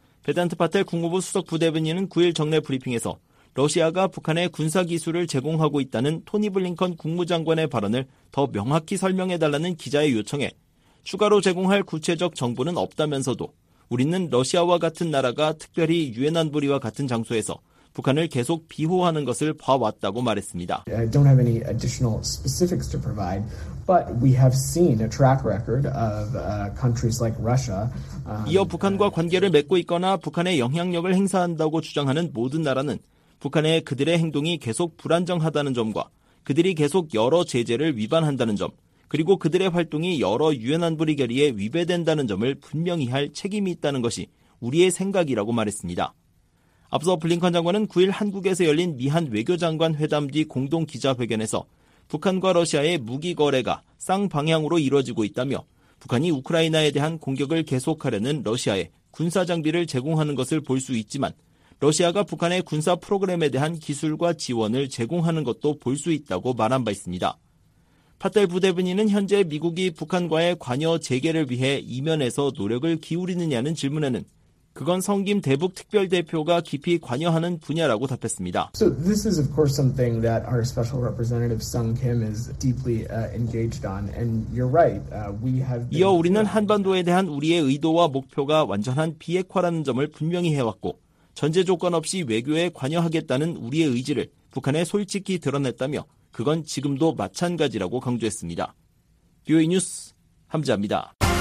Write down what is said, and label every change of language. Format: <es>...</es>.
<ko>베단트 파텔 국무부 수석 부대변인은 9일 정례 브리핑에서 러시아가 북한에 군사기술을 제공하고 있다는 토니 블링컨 국무장관의 발언을 더 명확히 설명해달라는 기자의 요청에 추가로 제공할 구체적 정보는 없다면서도 우리는 러시아와 같은 나라가 특별히 유엔 안보리와 같은 장소에서 북한을 계속 비호하는 것을 봐왔다고 말했습니다.</ko> <en>I don't have any additional specifics to provide, but we have seen a track record of countries like Russia.</en> <ko>이어 북한과 관계를 맺고 있거나 북한의 영향력을 행사한다고 주장하는 모든 나라는 북한의 그들의 행동이 계속 불안정하다는 점과 그들이 계속 여러 제재를 위반한다는 점, 그리고 그들의 활동이 여러 유엔 안보리 결의에 위배된다는 점을 분명히 할 책임이 있다는 것이 우리의 생각이라고 말했습니다. 앞서 블링컨 장관은 9일 한국에서 열린 미한 외교장관 회담 뒤 공동 기자회견에서 북한과 러시아의 무기 거래가 쌍방향으로 이루어지고 있다며 북한이 우크라이나에 대한 공격을 계속하려는 러시아에 군사 장비를 제공하는 것을 볼 수 있지만 러시아가 북한의 군사 프로그램에 대한 기술과 지원을 제공하는 것도 볼 수 있다고 말한 바 있습니다. 파텔 부대변인은 현재 미국이 북한과의 관여 재개를 위해 이면에서 노력을 기울이느냐는 질문에는 그건 성김 대북 특별대표가 깊이 관여하는 분야라고 답했습니다.</ko> <en>So this is of course something that our special representative Sung Kim is deeply engaged on and you're right. We have</en> <ko>이어 우리는 한반도에 대한 우리의 의도와 목표가 완전한 비핵화라는 점을 분명히 해 왔고 전제 조건 없이 외교에 관여하겠다는 우리의 의지를 북한에 솔직히 드러냈다며 그건 지금도 마찬가지라고 강조했습니다. 뷰이 뉴스 함지아입니다.</ko>